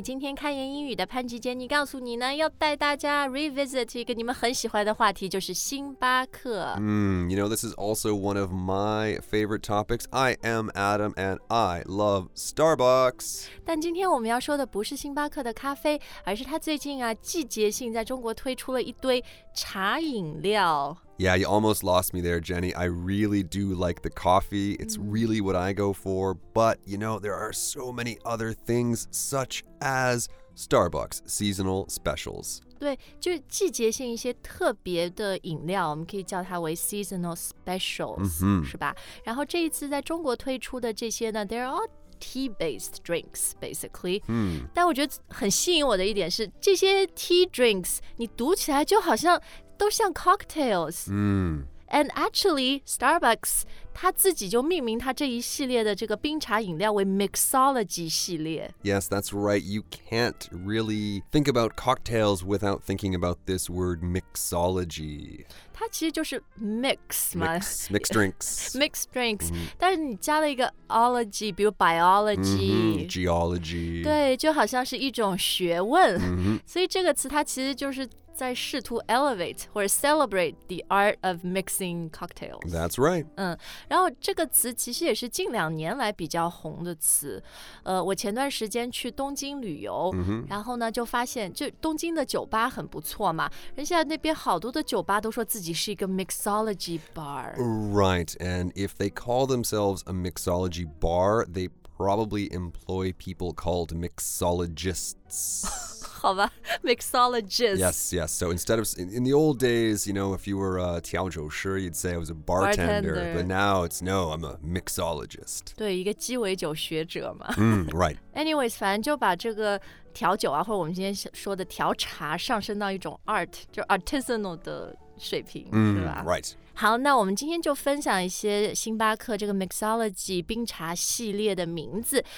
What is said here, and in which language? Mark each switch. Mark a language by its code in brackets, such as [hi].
[zh] 今天开言英语的潘吉 Jenny 告诉你呢，要带大家 revisit 一个你们很喜欢的话题，就是星巴克。 [en] You know, this is also one of my favorite topics. I am Adam and I love Starbucks. [zh] 但今天我们要说的不是星巴克的咖啡，而是它最近啊，季节性在中国推出了一堆茶饮料。 [en] Yeah, you almost lost me there, Jenny. I really do like the coffee. It's really what I go for. But, you know, there are so many other things, such as Starbucks seasonal specials. [zh] 对，就是季节性一些特别的饮料，我们可以叫它为 seasonal specials,、mm-hmm. 是吧？然后这一次在中国推出的这些呢， [en] they're all tea-based drinks, basically.、 [zh] 但我觉得很吸引我的一点是，这些 tea drinks, 你读起来就好像都像 cocktails、 [en] And actually, [zh] Starbucks 它自己就命名它这一系列的这个冰茶饮料为 mixology 系列。 [en] Yes, that's right. You can't really think about cocktails without thinking about this word mixology. [zh] 它其实就是 mix 嘛， [en] mixed drinks. [zh] mixed drinks、但是你加了一个 ology, 比如 biology、 [en] geology. [zh] 对，就好像是一种学问、所以这个词它其实就是在试图 elevate 或者 [en] celebrate the art of mixing cocktails. That's right. [zh] 然后这个词其实也是近两年来比较红的词。我前段时间去东京旅游、然后呢就发现就东京的酒吧很不错嘛，人家那边好多的酒吧都说自己是一个 mixology bar. [en] Right, and if they call themselves a mixology bar, they probably employ people called mixologists. Mixologist. Yes, yes. So instead of, in the old days, you know, if you were a 调酒师, you'd say I was a bartender. But now it's, no, I'm a mixologist. [zh] 对，一个鸡尾酒学者嘛。 [en] Right. [zh] Anyways, 反正就把这个调酒啊，或者我们今天说的调茶上升到一种 art, 就 artisanal 的水平，是吧？ [en] Right. [zh] 好，那我们今天就分享一些星巴克这个 mixology 冰茶系列的名字。